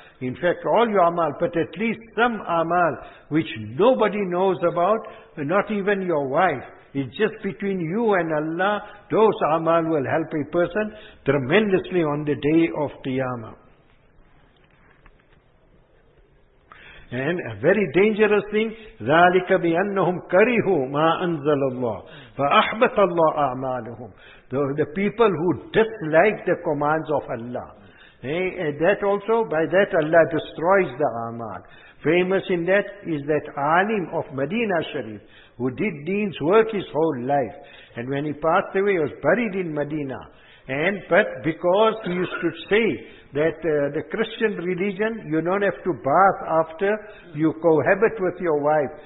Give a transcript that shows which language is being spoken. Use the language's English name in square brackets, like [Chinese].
[English] In fact, all your amal, but at least some amal which nobody knows about, not even your wife. It's just between you and Allah. Those amal will help a person tremendously on the day of Qiyamah. And a very dangerous thing, [Arabic] ذَلِكَ بِأَنَّهُمْ كَرِهُوا مَا أَنزَلَ اللَّهُ فَأَحْبَطَ اللَّهُ أَعْمَالُهُمْ. [English] The people who dislike the commands of Allah. That also, by that Allah destroys the amal. Famous in that is that alim of Medina Sharif, who did deen's work his whole life. And when he passed away, he was buried in Medina. But because he used to say that the Christian religion, you don't have to bath after you cohabit with your wife.